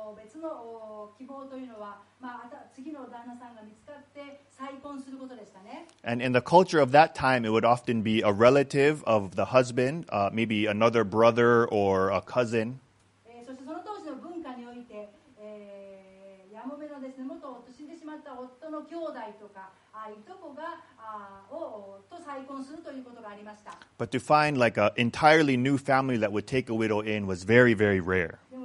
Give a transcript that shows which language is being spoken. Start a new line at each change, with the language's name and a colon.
Japanese: その希望というのは、まあ、次の旦那さんが見つかって再婚することでしたね。
English: And in the culture of that time, it would often be a relative of the husband, maybe another brother or a cousin.
Japanese: そしてその当時の文化において、やもめのですね、元夫、死んでしまった夫の兄弟とか、いとこが、と再婚するということがありました。
English: But to find like an entirely new family that would take a widow in was very, very rare.